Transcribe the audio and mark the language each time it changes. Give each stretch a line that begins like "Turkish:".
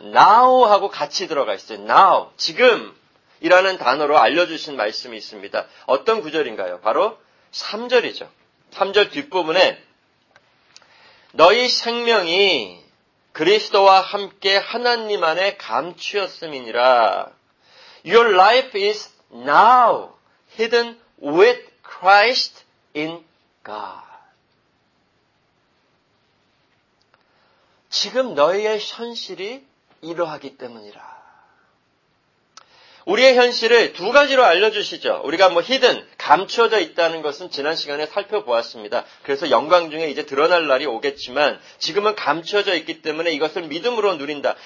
Korean: now하고 같이 들어가 있어요. now, 지금이라는 단어로 알려주신 말씀이 있습니다. 어떤 구절인가요? 바로 3절이죠. 3절 뒷부분에 너희 생명이 그리스도와 함께 하나님 안에 감추었음이니라.
English: Your life is now hidden with Christ in God.
Korean: 지금 너희의 현실이 이러하기 때문이라. 우리의 현실을 두 가지로 알려주시죠. 우리가 뭐 히든, 감추어져 있다는 것은 지난 시간에 살펴보았습니다. 그래서 영광 중에 이제 드러날 날이 오겠지만 지금은 감추어져 있기 때문에 이것을 믿음으로 누린다.